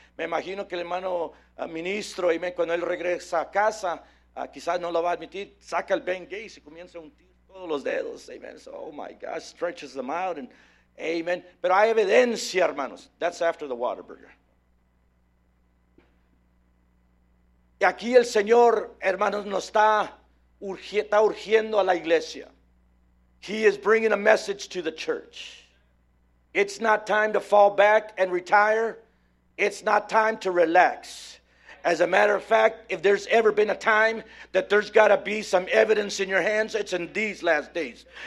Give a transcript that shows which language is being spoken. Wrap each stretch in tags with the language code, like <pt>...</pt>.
<es>Me imagino que el hermano ministro, amen, cuando él regresa a casa, quizás no lo va a admitir, saca el Ben Gay y comienza a untir todos los dedos, amen.</es> <en>So, oh my God, stretches them out and amen.</en> <es>Pero hay evidencia, hermanos.</es> <en>That's after the Whataburger.</en> <es>Y aquí el Señor, hermanos, nos está urgiendo a la iglesia.</es> <en>He is bringing a message to the church. It's not time to fall back and retire. It's not time to relax. As a matter of fact, if there's ever been a time that there's got to be some evidence in your hands, it's in these last days.</en>